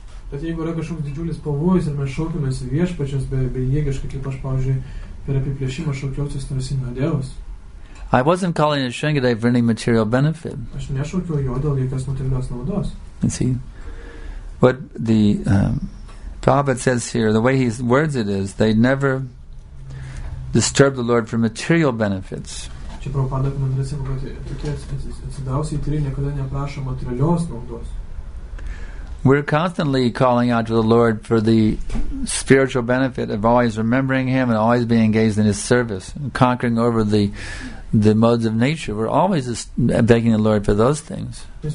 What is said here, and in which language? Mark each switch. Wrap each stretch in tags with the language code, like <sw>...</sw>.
<lt>Bet jeigu yra kažkoks didžiulis pavojus ir mes šaukiamės viešpačios bejėgiškai, kaip aš, pavyzdžiui, per apiplėšimą šaukiausios Nrisimha Devos.</lt> <en>I wasn't calling Nrisingadev for any material benefit.</en> <lt>Aš nešaukiau jo dėl jokios materialios naudos.</lt> <en>You see, what the Prabhupada says here, the way he words it is, they never disturb the Lord for material benefits.</en> <lt>Čia Prabhupada komentaruoja, kad tokie atsidavusieji tyrėjai niekada neprašo materialios naudos.</lt> <en>We're constantly calling out to the Lord for the spiritual benefit of always remembering Him and always being engaged in His service, and conquering over the modes of nature. We're always begging the Lord for those things.</en>